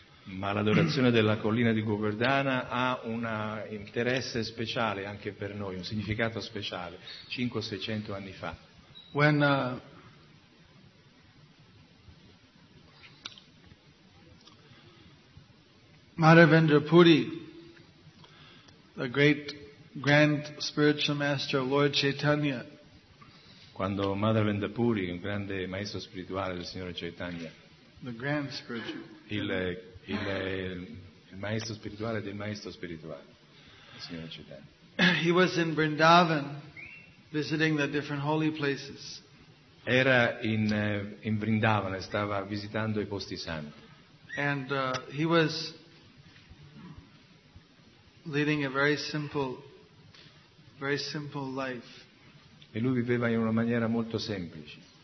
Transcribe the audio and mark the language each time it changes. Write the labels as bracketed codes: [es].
[it] Ma l'adorazione della collina di Govardhana ha un interesse speciale anche per noi, un significato speciale 500-600 anni fa. [en] When Madhavendra Puri, the great grand spiritual master Lord Chaitanya, [it] quando Madhavendra Puri, un grande maestro spirituale del Signore Chaitanya, [en] the grand spiritual, [it] il maestro spirituale del maestro spirituale del Signore Chaitanya, [en] he was in Vrindavan visiting the different holy places. [it] Era in in Vrindavan, stava visitando i posti santi. [en] And he was leading a very simple life. [it] E lui viveva in una maniera molto semplice.